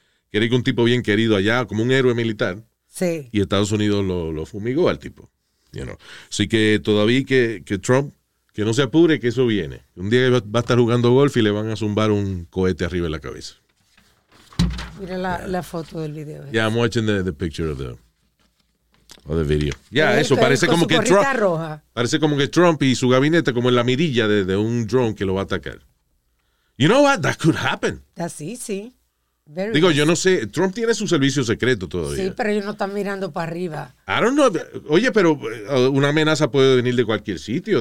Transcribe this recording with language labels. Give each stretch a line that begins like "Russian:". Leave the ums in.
Spanish: que Quería un tipo bien querido allá, como un héroe militar. Sí. Y Estados Unidos lo, lo fumigó al tipo.
English: You know.
Spanish: Así que todavía que, que, Trump, que no se apure, que eso viene. Un día va, a estar jugando golf y le van a zumbar un cohete arriba de la cabeza. Mira la,
English: yeah.
Spanish: la foto del video. Ya,
English: yeah, I'm watching the, the, picture of the, of the video.
Spanish: Ya,
English: yeah,
Spanish: eso, el parece como que Trump. Roja. Parece como que Trump y su gabinete, como en la mirilla de, de, un drone que lo va a atacar.
English: You know what? That could happen.
Spanish: Así, sí. Vervis. Digo, yo no sé, Trump tiene su servicio secreto todavía. Sí, pero ellos no están mirando para arriba.
English: I don't know.
Spanish: Oye, pero una amenaza puede venir de cualquier sitio.